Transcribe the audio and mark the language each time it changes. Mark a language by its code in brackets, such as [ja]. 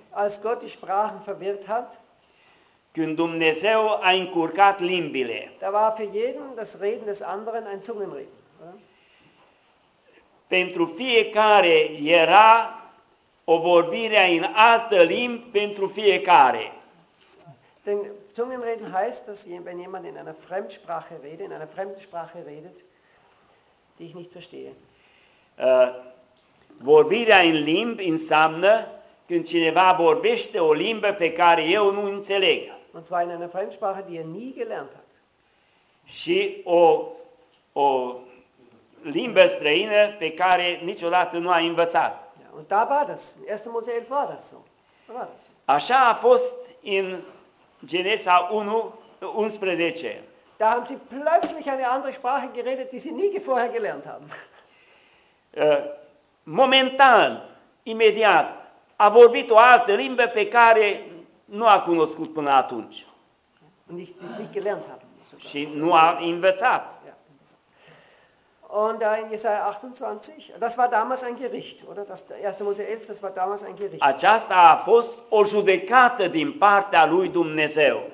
[de] Als Gott die Sprachen verwirrt hat. [ro] Când Dumnezeu a încurcat limbile. [de] Da war für jeden das Reden des anderen ein Zungenreden. [ro] Pentru fiecare era o vorbire în altă limbă pentru fiecare. [de] Denn Zungenreden heißt, dass wenn jemand in einer Fremdsprache redet, in einer Fremdsprache redet, die ich nicht verstehe. [ro] Vorbirea în limbi înseamnă când cineva vorbește o limbă pe care eu nu înțeleg. [de] Und zwar in einer Fremdsprache, die er nie gelernt hat. [ro] Și o limbă străină pe care niciodată nu a învățat. [de] Und da war das. In 1. Mose 11 war das so. Da war das so. [ro] Așa a fost in Genesa 11. [de] Da haben sie plötzlich eine andere Sprache geredet, die sie nie vorher gelernt haben. [ro] Momentan, imediat, a vorbit o altă limbă pe care nu a cunoscut până atunci. [de] Und nicht, die sie nicht gelernt haben. [ro] Și nu a învățat. [de] Und da in Jesaja 28, das war damals ein Gericht, oder? Das 1. Mose 11, das war damals ein Gericht. [ro] Aceasta a fost o judecată din partea lui Dumnezeu.